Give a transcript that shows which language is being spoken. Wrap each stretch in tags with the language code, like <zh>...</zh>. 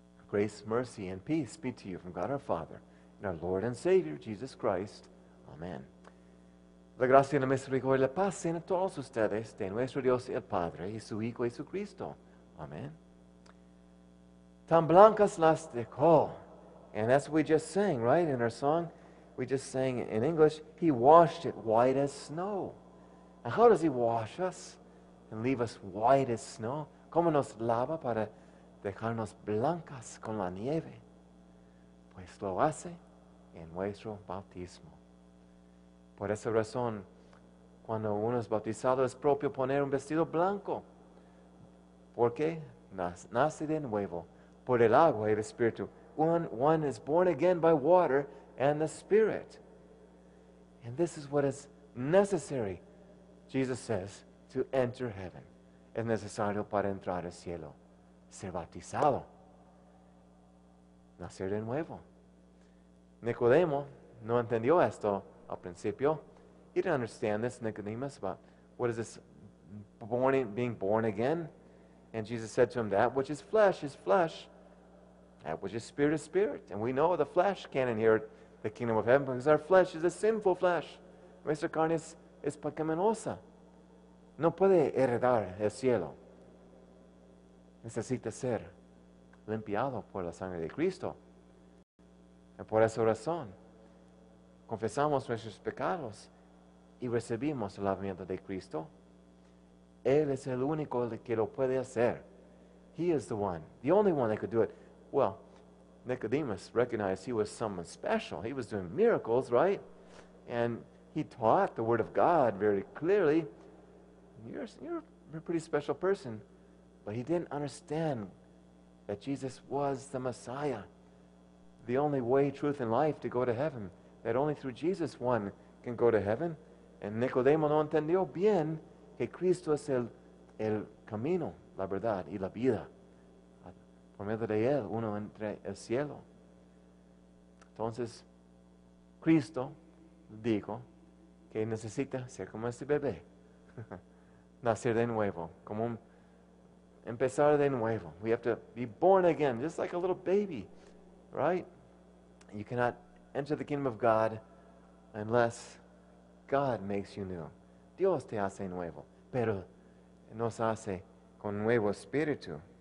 <en>Grace, mercy, and peace be to you from God our Father, and our Lord and Savior, Jesus Christ. Amen.</en> <es>La gracia y la misericordia y la paz sean a todos ustedes de nuestro Dios y el Padre, y su Hijo Jesucristo. Amen. Tan blancas las dejó.</es> <en>And that's what we just sang, right, in our song. We just sang in English, He washed it white as snow. And how does He wash us and leave us white as snow?</en> <es>¿Cómo nos lava para dejarnos blancas con la nieve? Pues lo hace en nuestro bautismo. Por esa razón, cuando uno es bautizado, es propio poner un vestido blanco, porque nace de nuevo por el agua y el Espíritu.</es> <en>One is born again by water and the Spirit. And this is what is necessary, Jesus says, to enter heaven. Es necesario para entrar al cielo. Ser bautizado, nacer de nuevo.</en> <es>Nicodemo no entendió esto al principio.</es> <en>He didn't understand this, Nicodemus, about what is this being born again. And Jesus said to him, that which is flesh is flesh, that which is spirit is spirit. And we know the flesh can't inherit the kingdom of heaven because our flesh is a sinful flesh.</en> <es>Nuestra carne es pecaminosa. No puede heredar el cielo. Necesita ser limpiado por la sangre de Cristo. Y por esa razón, confesamos nuestros pecados y recibimos el lavamiento de Cristo. Él es el único que lo puede hacer.</es> <en>He is the one, the only one that could do it. Well, Nicodemus recognized he was someone special. He was doing miracles, right? And he taught the Word of God very clearly. You're a pretty special person. But he didn't understand that Jesus was the Messiah, the only way, truth, and life to go to heaven, that only through Jesus one can go to heaven.</en> <es>And Nicodemo no entendió bien que Cristo es el camino, la verdad y la vida. Por medio de él, uno entra al cielo. Entonces, Cristo dijo que necesita ser como este bebé, nacer de nuevo, como un empezar de nuevo.</es> <en>We have to be born again, just like a little baby, right? You cannot enter the kingdom of God unless God makes you new.</en> <es>Dios te hace nuevo, pero nos hace con nuevo espíritu.</es>